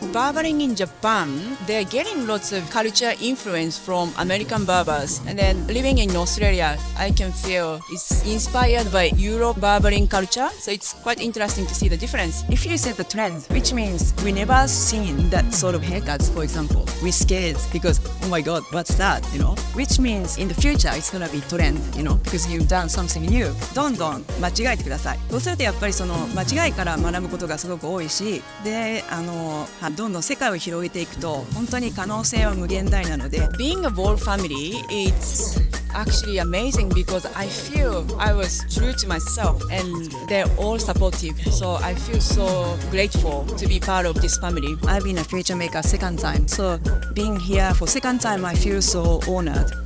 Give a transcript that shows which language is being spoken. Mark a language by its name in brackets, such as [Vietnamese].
[English] Barbering in Japan, they're getting lots of culture influence from American barbers, and then living in Australia, I can feel it's inspired by Europe barbering culture, so it's quite interesting to see the difference. If you set the trend, which means we never seen that sort of haircuts, for example. We're scared because, oh my god, what's that, you know? Which means in the future it's gonna be trend, you know, because you've done something new. [Japanese] どんどん 間違えてください。そうするとやっぱりその間違いから学ぶことがすごく多いし、 で、どんどん世界を広げていくと 本当に可能性は無限大なので。 [English] Being a Wahl family, it's actually amazing because I feel I was true to myself and they're all supportive. So I feel so grateful to be part of this family. I've been a future maker second time. So being here for second time, I feel so honored.